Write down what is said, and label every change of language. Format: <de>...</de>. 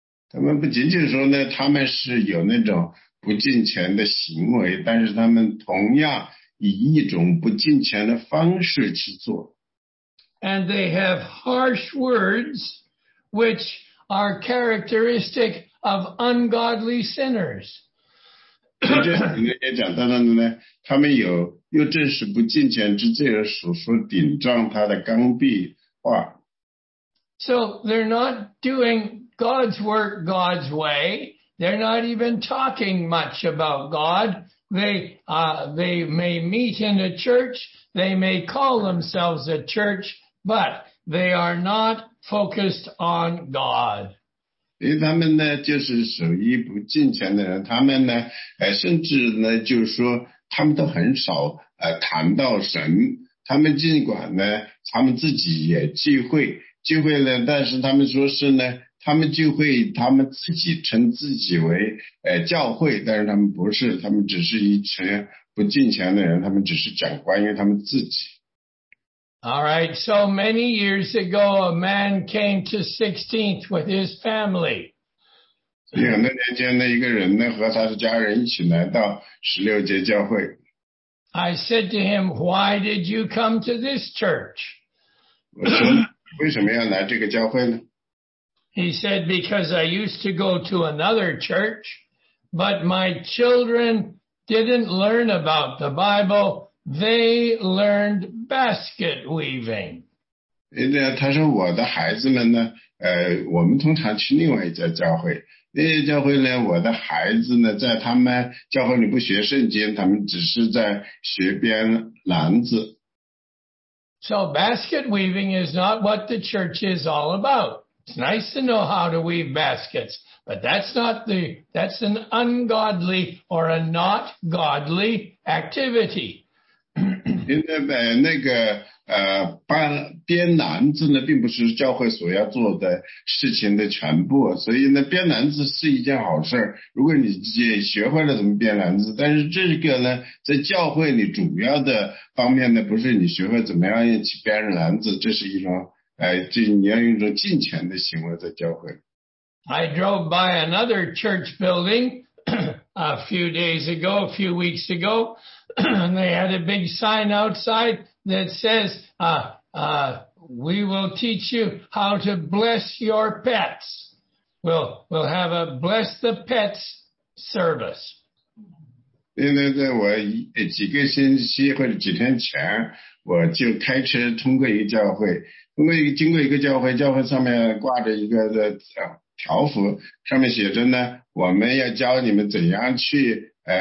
<zh>他们不仅仅说呢，他们是有那种不敬虔的行为，但是他们同样以一种不敬虔的方式去做。</zh> <en>And they have harsh words, which are characteristic of ungodly sinners.</en> <zh>这里面也讲到了呢，他们有又正是不敬虔之罪而所说顶撞他的刚愎话。</zh> <en>So they're not doing. God's work, God's way. They're not even talking much about God. They may meet in a church. They may call themselves a church, but they are not focused on God.</en> <zh>因为他们呢，就是属于不敬虔的人。他们呢，甚至呢，就是说，他们都很少谈到神。他们尽管呢，他们自己也聚会呢，但是他们说是呢。他们就会他们自己称自己为教会，但是他们不是，他们只是一群不敬虔的人，他们只是讲关于他们自己。</zh> <en>All right, so many years ago, a man came to 16th with his family.</en> <zh>很多年前的一个人呢，和他的家人一起来到十六节教会。</zh> <en>I said to him, "Why did you come to this church?"</en> <zh>我说，为什么要来这个教会呢？</zh> <en>He said, because I used to go to another church, but my children didn't learn about the Bible. They learned basket weaving.</en> <zh>他说我的孩子们呢，我们通常去另外一家教会。那些教会呢，我的孩子呢，在他们教会里不学圣经，他们只是在学编篮子。</zh> <en>So basket weaving is not what the church is all about. It's nice to know how to weave baskets, but that's an ungodly or a not godly activity.</en> <zh>因为那个编篮子呢，并不是教会所要做的事情的全部，所以呢，编篮子是一件好事。如果你学会了怎么编篮子，但是这个呢，在教会里主要的方面呢，不是你学会怎么样去编篮子，这是一种。你要用一种敬虔的行为在教会。</zh> <en>I drove by another church building a few days ago, a few weeks ago, and they had a big sign outside that says, we will teach you how to bless your pets. We'll have a bless the pets service.</en> <zh>因为在我几个星期或者几天前，我就开车通过一个教会，经过一个教会，教会上面挂着一个的条幅，上面写着呢，我们要教你们怎样去</zh>